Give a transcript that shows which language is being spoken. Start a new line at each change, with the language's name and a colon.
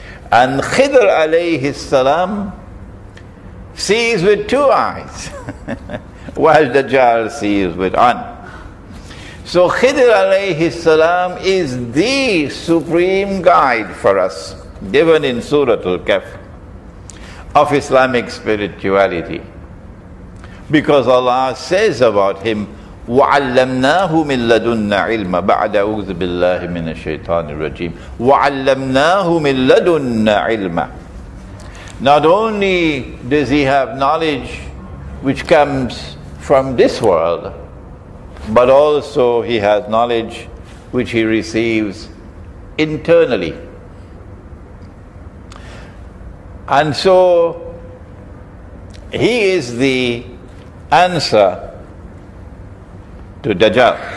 English: And Khidr alayhi salam sees with two eyes while Dajjal sees with one. So Khidr alayhi salam is the supreme guide for us, given in Surah Al-Kahf, of Islamic spirituality. Because Allah says about him,
Arabic: وَعَلَّمْنَاهُ مِنْ لَدُنَّ عِلْمًا بَعْدَ أُغْذِ بِاللَّهِ مِنَ الشَّيْطَانِ الرَّجِيمِ وَعَلَّمْنَاهُ مِنْ لَدُنَّ عِلْمًا.
English: Not only does he have knowledge which comes from this world, but also he has knowledge which he receives internally. And so he is the answer to Dajjal.